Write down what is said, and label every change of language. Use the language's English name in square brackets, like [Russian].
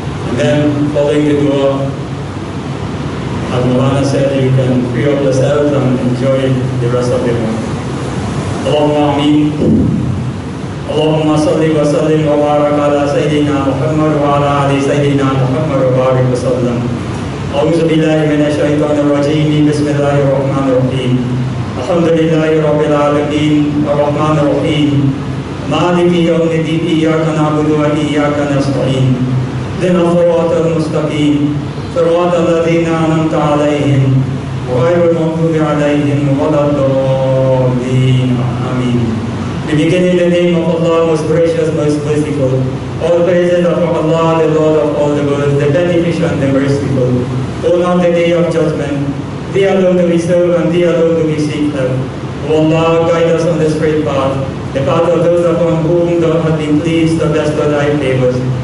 [English] And then following the dua, as Mawlana said, you can free up yourself and enjoy the rest of the month. Allahumma ameen. [Arabic] اللهم صل وسلم وبارك على سيدنا محمد وعلى آل سيدنا محمد وبارك وسلم أعوذ بالله من الشيطان الرجيم بسم الله الرحمن الرحيم الحمد لله رب العالمين الرحمن الرحيم مالك يوم الدين إياك نعبد وإياك نستعين اهدنا الصراط المستقيم صراط الذين أنعمت عليهم غير المغضوب عليهم ولا الضالين آمين. [English] We begin in the name of Allah, most gracious, most merciful. All praises are from Allah, the Lord of all the worlds, the beneficent and the merciful. O Lord, the day of judgment, Thee alone do we serve and Thee alone do we seek help. O Allah, guide us on the straight path, the path of those upon whom Thou hast been pleased, the best of Thy favors.